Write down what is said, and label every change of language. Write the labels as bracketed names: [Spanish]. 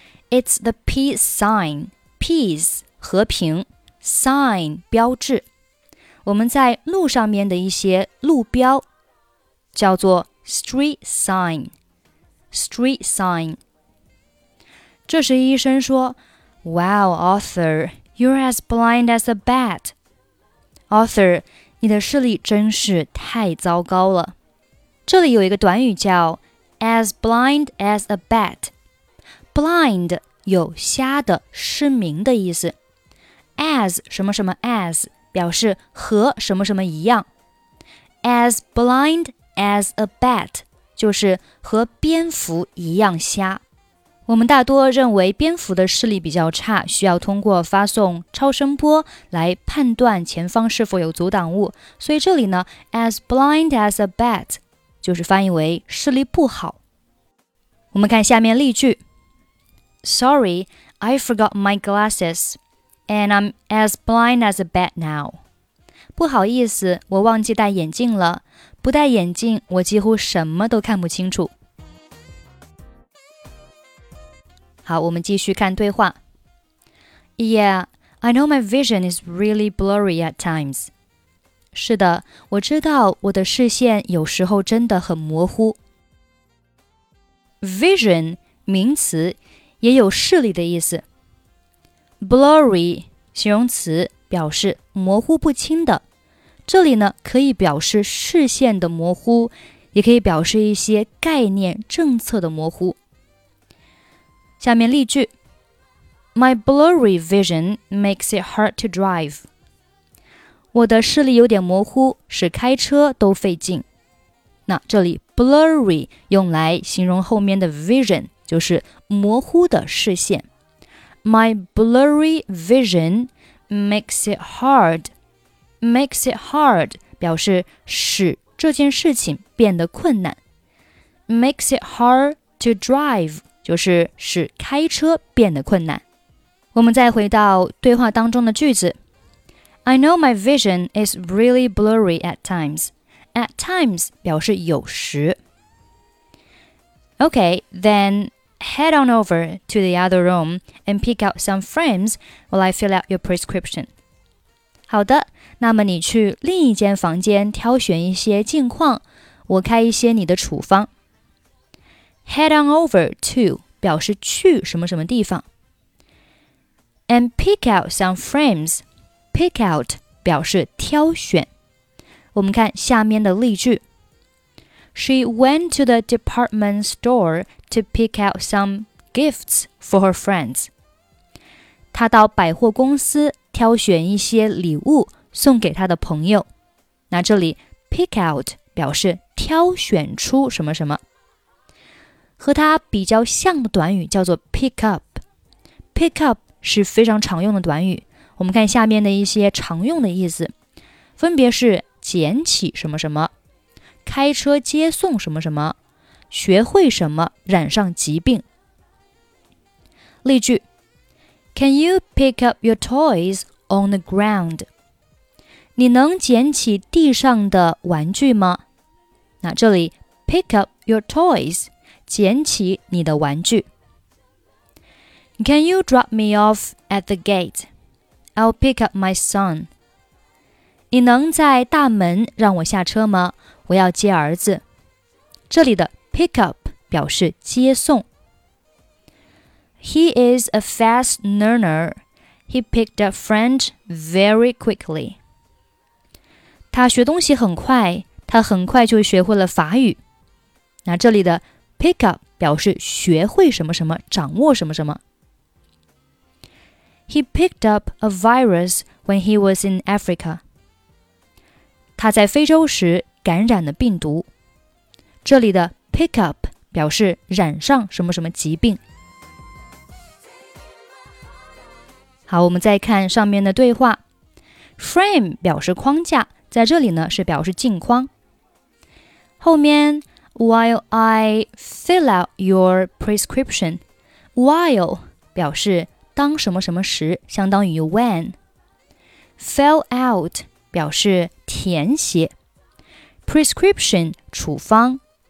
[English] It's the peace sign. Peace, 和平。 [Chinese] Sign, 标志。我们在路上面的一些路标叫做 street sign, street sign. 这时医生说 [English] Wow, Arthur, you're as blind as a bat. [Chinese] Arthur, 你的视力真是太糟糕了。这里有一个短语叫 [English] as blind as a bat. [Chinese] Blind 有瞎的、失明的意思。 As 什么什么 as 表示和什么什么一样。 [English] As blindAs a bat, [Chinese] 就是和蝙蝠一样瞎。我们大多认为蝙蝠的视力比较差，需要通过发送超声波来判断前方是否有阻挡物。所以这里呢 , [English] as blind as a bat, [Chinese] 就是翻译为视力不好。我们看下面例句。 [English] Sorry, I forgot my glasses, and I'm as blind as a bat now. [Chinese] 不好意思，我忘记戴眼镜了。不戴眼镜，我几乎什么都看不清楚。好，我们继续看对话。 [English] Yeah, I know my vision is really blurry at times. [Chinese] 是的，我知道我的视线有时候真的很模糊。 Vision, 名词，也有视力的意思。 Blurry, 形容词，表示模糊不清的。这里呢可以表示视线的模糊，也可以表示一些概念政策的模糊。下面例句 [English] My blurry vision makes it hard to drive. [Chinese] 我的视力有点模糊，使开车都费劲。那这里 blurry 用来形容后面的 vision, 就是模糊的视线。 [English] My blurry vision makes it hardMakes it hard [Chinese] 表示使这件事情变得困难。 [English] Makes it hard to drive [Chinese] 就是使开车变得困难。我们再回到对话当中的句子。 [English] I know my vision is really blurry at times. At times [Chinese] 表示有时。 [English] Okay, then head on over to the other room and pick out some frames while I fill out your prescription. [Chinese] 好的，那么你去另一间房间挑选一些镜框，我开一些你的处方。 [English] Head on over to [Chinese] 表示去什么什么地方。 [English] And pick out some frames. [Chinese] Pick out 表示挑选。我们看下面的例句。 [English] She went to the department store to pick out some gifts for her friends. [Chinese] 她到百货公司挑选一些礼物送给他的朋友。那这里 pick out 表示挑选出什么什么。和它比较像的短语叫做 pick up。pick up 是非常常用的短语。我们看下面的一些常用的意思。分别是捡起什么什么，开车接送什么什么，学会什么染上疾病。例句 [English] Can you pick up your toys on the ground? [Chinese] 你能捡起地上的玩具吗？那这里 [English] pick up your toys, [Chinese] 捡起你的玩具。 [English] Can you drop me off at the gate? I'll pick up my son. [Chinese] 你能在大门让我下车吗？我要接儿子。这里的 pick up 表示接送。 [English] He is a fast learner. He picked up French very quickly. [Chinese] 他学东西很快，他很快就学会了法语。那这里的 pick up 表示学会什么什么，掌握什么什么。 [English] He picked up a virus when he was in Africa. [Chinese] 他在非洲时感染了病毒。这里的 pick up 表示染上什么什么疾病。好，我们再看上面的对话。Frame 表示框架，在这里呢是表示镜框。 [English] 后面 While I fill out your prescription, while [Chinese] 表示当什么什么时，相当于 [English] when. [Chinese] Fill out 表示填写。 Prescription 处方。